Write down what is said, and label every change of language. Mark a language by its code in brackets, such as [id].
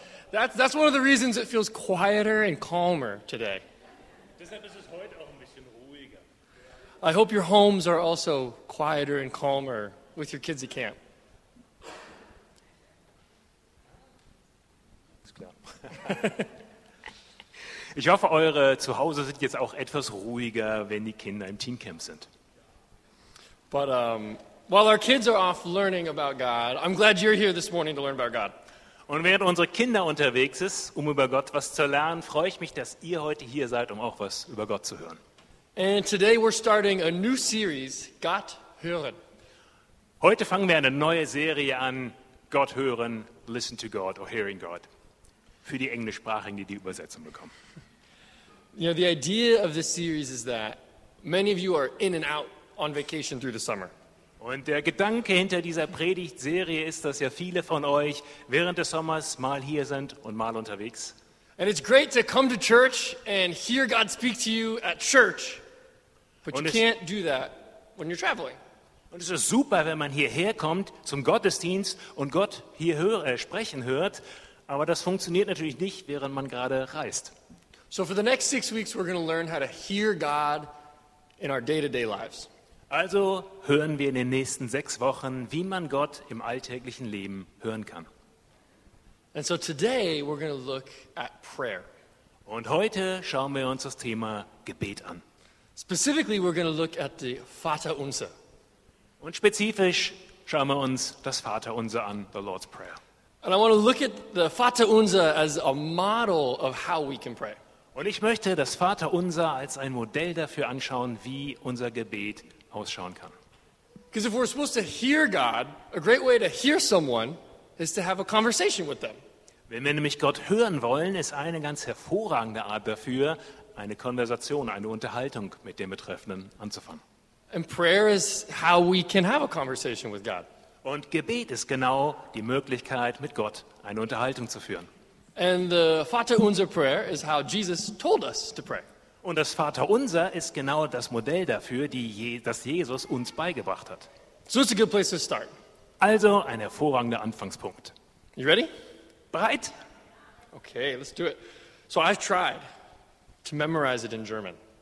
[en] That's one of the reasons it feels quieter and calmer today. [de] Deshalb ist es heute auch ein bisschen ruhiger. [en] I hope your homes are also quieter and calmer with your kids at camp. [de] Ich hoffe, eure Zuhause sind jetzt auch etwas ruhiger, wenn die Kinder im Teen Camp sind. [en] But while our kids are off learning about God, I'm glad you're here this morning to learn about God. [de] Und während unsere Kinder unterwegs sind, um über Gott was zu lernen, freue ich mich, dass ihr heute hier seid, um auch was über Gott zu hören. [en] And today we're starting a new series, Gott hören. [de] Heute fangen wir eine neue Serie an, Gott hören, [en] listen to God or hearing God, [de] für die Englischsprachigen, die die Übersetzung bekommen. [en] You know, the idea of this series is that many of you are in and out on vacation through the summer. [de] Und der Gedanke hinter dieser Predigtserie ist, dass ja viele von euch während des Sommers mal hier sind und mal unterwegs. [en] And it's great to come to church and hear God speak to you at church. But you can't do that when you're traveling. [de] Und es ist super, wenn man hierher kommt zum Gottesdienst und Gott hier sprechen hört, aber das funktioniert natürlich nicht, während man gerade reist. [en] So for the next 6 weeks we're going to learn how to hear God in our day-to-day lives. [de] Also hören wir in den nächsten 6 Wochen, wie man Gott im alltäglichen Leben hören kann. [en] And so today we're going to look at prayer. [de] Und heute schauen wir uns das Thema Gebet an. [en] Specifically we're going to look at the Vater Unser. [de] Und spezifisch schauen wir uns das Vater Unser an, [en] the Lord's Prayer. And I want to look at the Vater Unser as a model of how we can pray. [de] Und ich möchte das Vater Unser als ein Modell dafür anschauen, wie unser Gebet ausschauen kann. [en] Because if we're supposed to hear God, a great way to hear someone is to have a conversation with them. [de] Wenn wir nämlich Gott hören wollen, ist eine ganz hervorragende Art dafür, eine Konversation, eine Unterhaltung mit dem Betreffenden anzufangen. [en] And prayer is how we can have a conversation with God. [de] Und Gebet ist genau die Möglichkeit, mit Gott eine Unterhaltung zu führen. [en] And the Vater Unser prayer is how Jesus told us to pray. [de] Und das Vater Unser ist genau das Modell dafür, das Jesus uns beigebracht hat. [en] So it's a good place to start. [de] Also ein hervorragender Anfangspunkt. [en] You ready? [de] Bereit? [en] Okay, let's do it. So I've tried to memorize it in German.